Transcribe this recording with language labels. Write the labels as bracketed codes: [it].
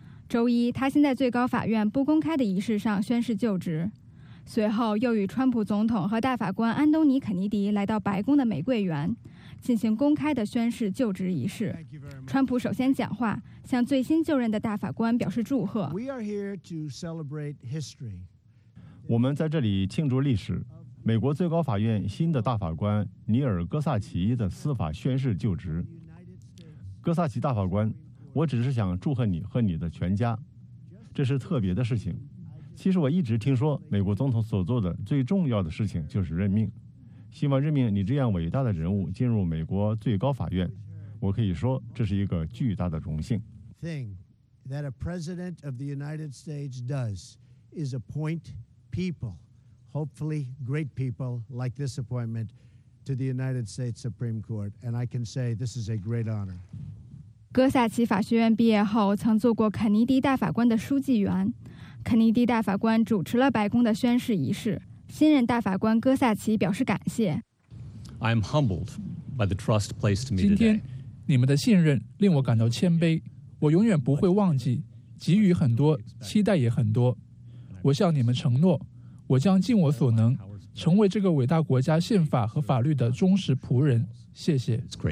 [zh] 周一，他先在最高法院不公开的仪式上宣誓就职，随后又与川普总统和大法官安东尼·肯尼迪来到白宫的玫瑰园，进行公开的宣誓就职仪式。川普首先讲话，向最新就任的大法官表示祝贺。 [en] We are here to celebrate history. [zh] 我们在这里庆祝历史。美国最高法院新的大法官尼尔·戈萨奇的司法宣誓就职。戈萨奇大法官，我只是想祝贺你和你的全家，这是特别的事情。其实我一直听说美国总统所做的最重要的事情就是任命，希望任命你这样伟大的人物进入美国最高法院，我可以说这是一个巨大的荣幸。 [en] thing that a president of the United States does is appoint people, hopefully great people like this appointment,to the United States Supreme Court, and I can say this is a great honor. [zh] 戈萨奇法学院毕业后曾做过肯尼迪大法官的书记员，肯尼迪大法官主持了白宫的宣誓仪式，新任大法官戈萨奇表示感谢。 [en] I am humbled by the trust placed in me [zh] 今天你们的信任令我感到谦卑，我永远不会忘记，给予很多，期待也很多。我向你们承诺，我将尽我所能成为这个伟大国家宪法和法律的忠实仆人，谢谢。